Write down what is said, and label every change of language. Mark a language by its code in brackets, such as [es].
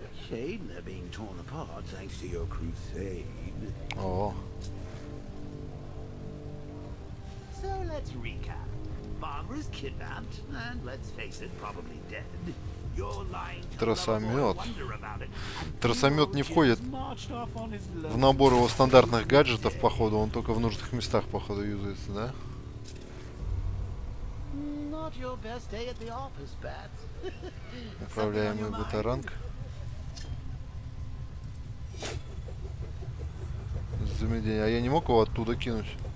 [en] Shame they're being torn apart thanks to your crusade. Oh. So let's recap. Barbara's kidnapped, and let's face it, probably dead. You're lying to wonder about it. [ru] Тросомет не входит в набор его стандартных гаджетов, походу. Он только в нужных местах, походу, юзается, да? [en] Not your best day at the office, Bats. [ru] Направляемый батаранг. Замедление. А я не мог его оттуда кинуть.